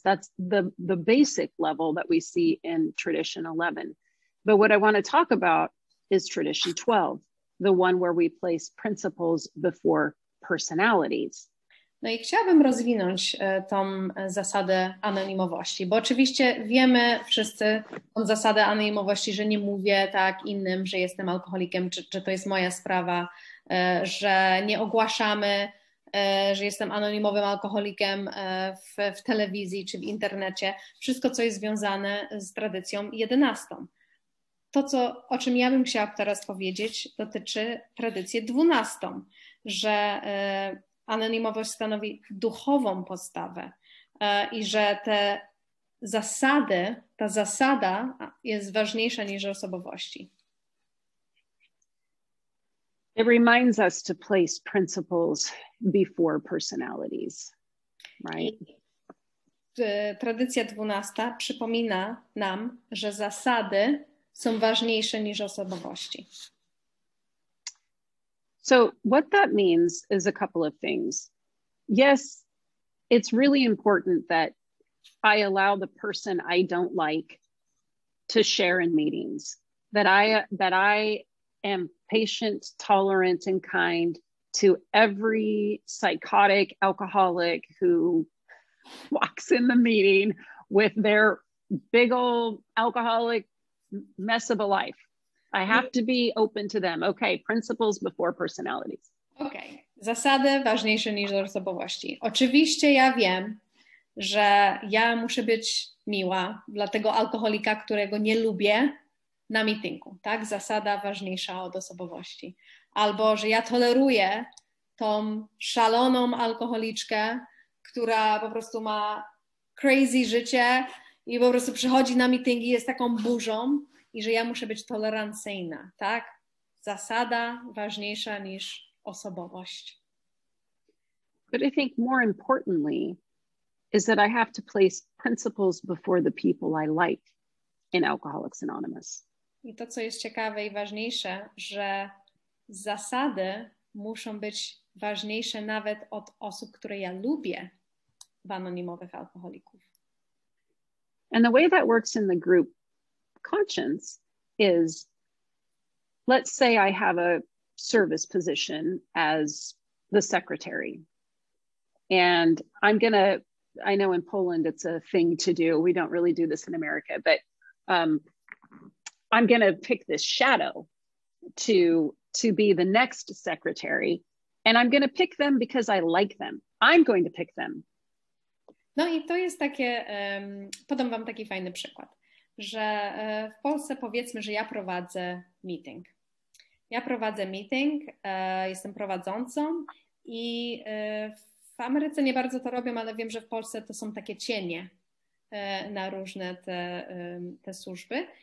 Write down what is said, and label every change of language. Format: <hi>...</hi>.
<en>That's the basic level that we see in tradition 11. But what I want to talk about is tradition 12, the one where we place principles before personalities.</en> <pl>No i chciałabym rozwinąć tą zasadę anonimowości, bo oczywiście wiemy wszyscy tą zasadę anonimowości, że nie mówię tak innym, że jestem alkoholikiem, czy to jest moja sprawa, że nie ogłaszamy, że jestem anonimowym alkoholikiem w telewizji czy w internecie. Wszystko, co jest związane z tradycją 11. To, o czym ja bym chciała teraz powiedzieć, dotyczy tradycji 12, że anonimowość stanowi duchową postawę i że te zasady, ta zasada jest ważniejsza niż osobowości.</pl> <en>It reminds us to place principles before personalities, right?</en> <pl>Tradycja 12 przypomina nam, że zasady są ważniejsze niż osobowości.</pl> <en>So what that means is a couple of things. Yes, it's really important that I allow the person I don't like to share in meetings, that I am patient, tolerant, and kind to every psychotic alcoholic who walks in the meeting with their big old alcoholic mess of a life. I have to be open to them. Okay, principles before personalities.</en> <pl>Okay, zasady ważniejsze niż osobowości. Oczywiście ja wiem, że ja muszę być miła dla tego alkoholika, którego nie lubię na meetingu, tak? Zasada ważniejsza od osobowości. Albo, że ja toleruję tą szaloną alkoholiczkę, która po prostu ma crazy życie i po prostu przychodzi na meetingi, jest taką burzą i że ja muszę być tolerancyjna, tak? Zasada ważniejsza niż osobowość.</pl> <en>But I think more importantly is that I have to place principles before the people I like in Alcoholics Anonymous.</en> <pl>I to, co jest ciekawe i ważniejsze, że zasady muszą być ważniejsze nawet od osób, które ja lubię w anonimowych alkoholików.</pl> <en>And the way that works in the group conscience is, let's say I have a service position as the secretary, and I know in Poland it's a thing to do. We don't really do this in America, but I'm going to pick this shadow to be the next secretary, and I'm going to pick them because I like them. I'm going to pick them.</en> <pl>No i to jest takie, podam wam taki fajny przykład, że w Polsce powiedzmy, że ja prowadzę meeting. Ja prowadzę meeting, jestem prowadzącą i w Ameryce nie bardzo to robią, ale wiem, że w Polsce to są takie cienie na różne te służby.</pl>